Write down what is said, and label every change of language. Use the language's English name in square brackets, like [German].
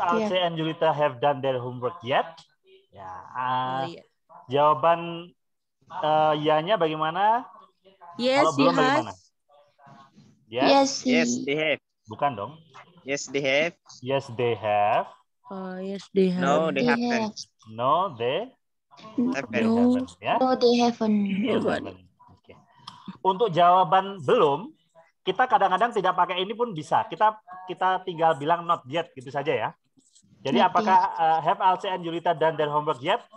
[English] have Alce and Yunita have done their homework yet? [Indonesian] Ya. Jawaban ya-nya bagaimana? [English] Yes, [Indonesian] belum, bagaimana? [English] Yes. Yes, yes, they have. [Indonesian] Bukan dong. [English] Yes, they have. Yes, they have. Yes, they have. No, they haven't. No, they haven't. No, haven't. Yeah? No, they haven't. Okay. [Indonesian] Untuk jawaban belum, kita kadang-kadang tidak pakai ini pun bisa. Kita tinggal bilang [English] not yet, [Indonesian] gitu saja ya. Jadi [English] not [Indonesian] apakah [English] have Alce and Julita done their homework yet?